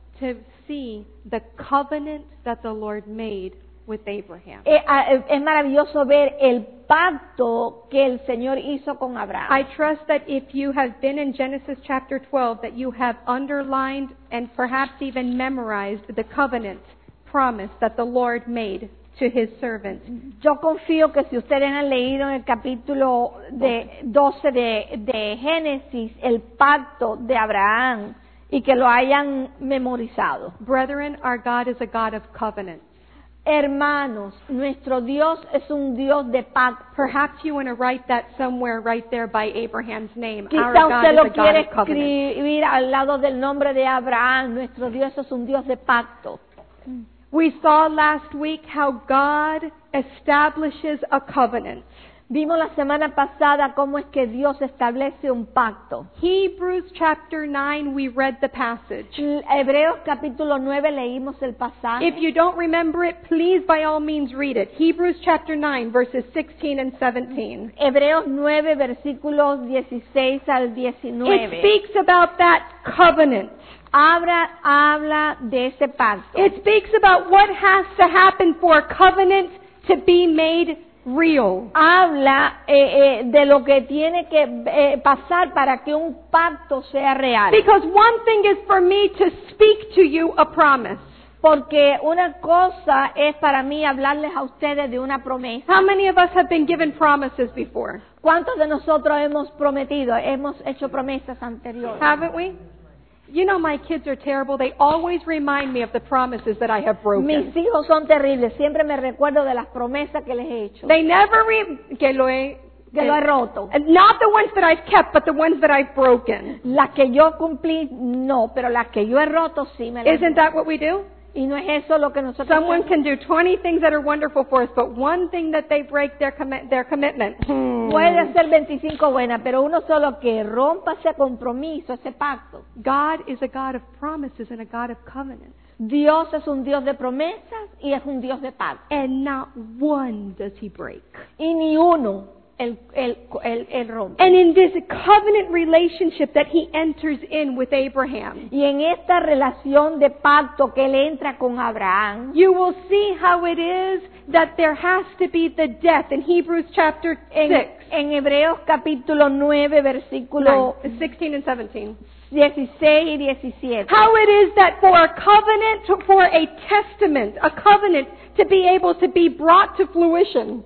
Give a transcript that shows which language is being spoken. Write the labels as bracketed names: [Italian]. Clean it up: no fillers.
[English] To see the covenant that the Lord made with Abraham. [Spanish] Es maravilloso ver el pacto que el Señor hizo con Abraham. [English] I trust that if you have been in Genesis chapter 12 that you have underlined and perhaps even memorized the covenant promise that the Lord made to his servant. [Spanish] Yo confío que si ustedes han leído en el capítulo de 12 de Génesis el pacto de Abraham y que lo hayan memorizado. [English] Brethren, our God is a God of covenants. [Spanish] Hermanos, nuestro Dios es un Dios de pacto. [English] Perhaps you want to write that somewhere right there by Abraham's name. [Spanish] Quizá [English] our God [Spanish] usted lo [English] is a [Spanish] quiere [English] God of covenant. [Spanish] Escribir al lado del nombre de Abraham. Nuestro Dios es un Dios de pacto. [English] We saw last week how God establishes a covenant. [Spanish] Vimos la semana pasada cómo es que Dios establece un pacto. [English] Hebrews chapter 9, we read the passage. [Spanish] Hebreos capítulo 9, leímos el pasaje. [English] If you don't remember it, please by all means read it. Hebrews chapter 9, verses 16 and 17. [Spanish] Hebreos 9, versículos 16 al 19. [English] It speaks about that covenant. [Spanish] habla de ese pacto. [English] It speaks about what has to happen for a covenant to be made real. [Spanish] Habla de lo que tiene que pasar para que un pacto sea real. [English] Because one thing is for me to speak to you a promise. [Spanish] Porque una cosa es para mí hablarles a ustedes de una promesa. [English] How many of us have been given promises before? [Spanish] ¿Cuántos de nosotros hemos prometido, hemos hecho promesas anteriores? [English] Haven't we? You know my kids are terrible. They always remind me of the promises that I have broken. [Spanish] Mis hijos son terribles. Siempre me recuerdo de las promesas que les he hecho. [English] They never [Spanish] que lo he roto. [English] Not the ones that I've kept, but the ones that I've broken. [Spanish] Las que yo cumplí, no, pero las que yo he roto, sí me las. [English] Isn't that what we do? [Spanish] Y no es eso lo que nosotros. [English] Someone [Spanish] hacemos. [English] Can do 20 things that are wonderful for us, but one thing that they break their commitment. [Spanish] Puede hacer 25 buenas, pero uno solo que rompa ese compromiso, ese pacto. [English] God is a God of promises and a God of covenants. [Spanish] Dios es un Dios de promesas y es un Dios de pacto. [English] And not one does He break. [Spanish] Y ni uno el rompe. [English] And in this covenant relationship that He enters in with Abraham, [Spanish] y en esta relación de pacto que él entra con Abraham, [English] you will see how it is that there has to be the death in Hebrews chapter 6. [Spanish] En Hebreos capítulo 9 versículo [English] 16 and 17. How it is that for a covenant, for a testament, a covenant to be able to be brought to fruition.